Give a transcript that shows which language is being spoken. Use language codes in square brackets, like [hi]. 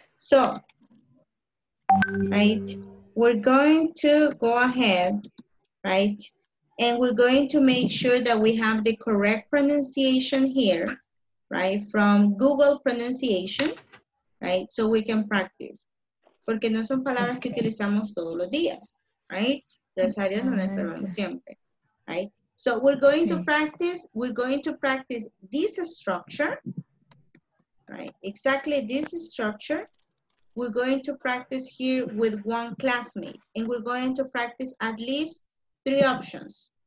[en] So, right, we're going to go ahead, right, and we're going to make sure that we have the correct pronunciation here. Right, from Google pronunciation, right, so we can practice. [es] Porque no son palabras que utilizamos todos los días, right? Gracias a Dios, no nos enfermamos siempre, right? [en] So we're going to practice, this structure, right? Exactly this structure. We're going to practice here with one classmate, and we're going to practice at least three options.